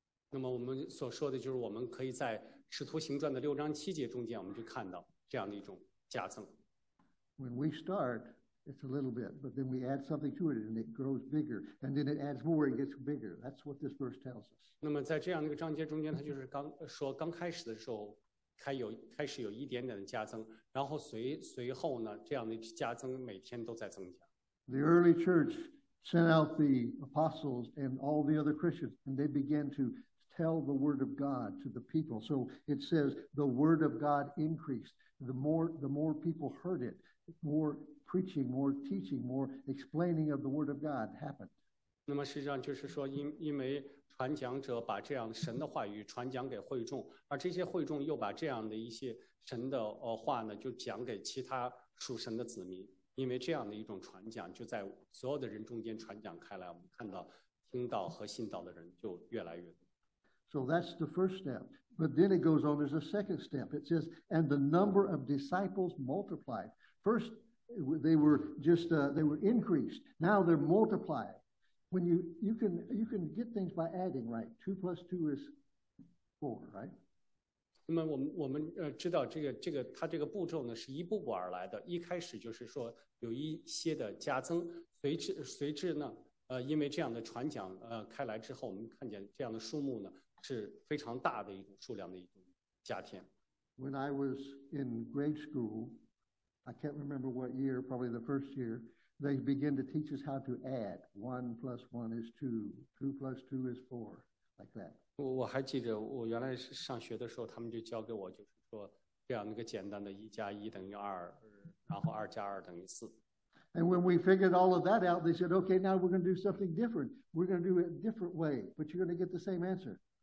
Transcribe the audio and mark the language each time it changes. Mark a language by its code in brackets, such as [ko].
[zh] 那么我们所说的就是我们可以在使徒行传的六章七节中间，我们就看到这样的一种加增。 [en] When we start, it's a little bit, but then we add something to it and it grows bigger, and then it adds more, it gets bigger. That's what this verse tells us. [zh] 那么在这样的一个章节中间，它就是刚开始的时候，开始有一点点的加增，然后随后呢，这样的加增每天都在增加。 [en] The early church sent out the apostles and all the other Christians, and they began to tell the word of God to the people. So it says the word of God increased. The more people heard it. More preaching, more teaching, more explaining of the word of God happened. [zh] 那么实际上就是说，因为传讲者把这样神的话语传讲给会众，而这些会众又把这样的一些神的话呢，就讲给其他属神的子民。因为这样的一种传讲，就在所有的人中间传讲开来，我们看到听到和信道的人就越来越多。 [en] So that's the first step. But then it goes on. There's a second step. It says, and the number of disciples multiplied. First, they were just, they were increased. Now they're multiplied. When you can get things by adding, right? 2 + 2 = 4, right? [zh] 那么我们知道这个它这个步骤呢是一步步而来的。一开始就是说有一些的加增，随之呢，因为这样的传讲开来之后，我们看见这样的数目呢是非常大的一种数量的一种加添。 [en] When I was in grade school. I can't remember what year, probably the first year, they begin to teach us how to add. 1 + 1 = 2, 2 + 2 = 4, like that. [zh] 我还记得我原来上学的时候，他们就教给我，就是说这样一个简单的1+1=2，然后2+2=4。 [en] And when we figured all of that out, they said, okay, now we're going to do something different. We're going to do it a different way, but you're going to get the same answer.